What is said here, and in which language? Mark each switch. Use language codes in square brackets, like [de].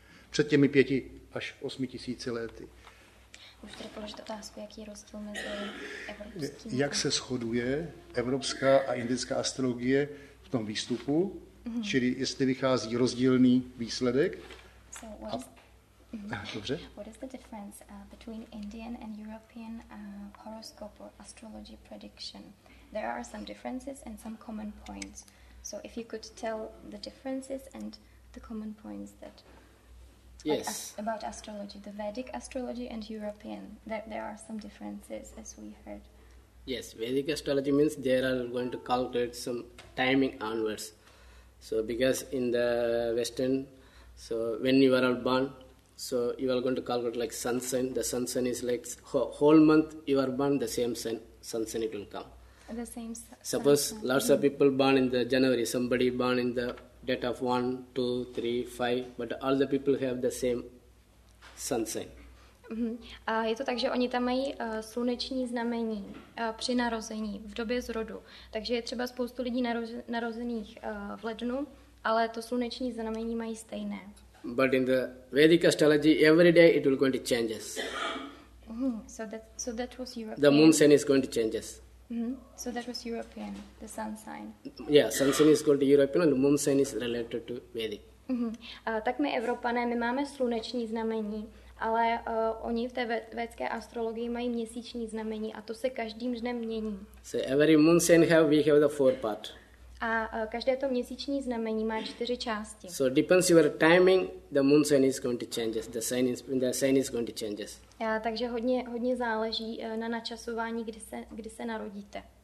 [cs] Před těmi 5 až 8 tisíci lety. Už tady položit otázku, jaký je rozdíl mezi evropským... Jak se shoduje evropská a indická astrologie v tom výstupu, čili jestli vychází rozdílný výsledek. [en] So what is... [cs] Dobře. [en] What is the difference between Indian and European horoscope or astrology prediction? There are some differences and some common points. So if you could tell the differences and the common points that yes. About astrology, the Vedic astrology and European, there are some differences as we heard. Yes, Vedic astrology means they are going to calculate some timing onwards. So because in the Western, so when you are born, so you are going to calculate like sun sign. The sun sign is like whole month you are born, the same sun sign it will come. The same suppose sun. Lots of people born in the January, somebody born in the date of 1, 2, 3, 5, but all the people have the same sun sign. [cs] A je to tak, že oni tam mají sluneční znamení při narození, v době zrodu. Takže je třeba spoustu lidí narozených v lednu, ale to sluneční znamení mají stejné. [en] But in the Vedic astrology, every day it will going to changes. So that was European. The moon sign is going to changes. So that was European, the sun sign. Yeah, sun sign is going to European and moon sign is related to Vedic. [cs] Tak my Evropané, my máme sluneční znamení, ale oni v té védské astrologii mají měsíční znamení a to se každým dnem mění. [en] So every moon sign we have the four part. [cs] A každé to měsíční znamení má čtyři části. [en] So depends your timing, the moon sign is going to changes, the sign is going to changes. [cs] Já, takže hodně záleží na načasování, kdy se narodíte.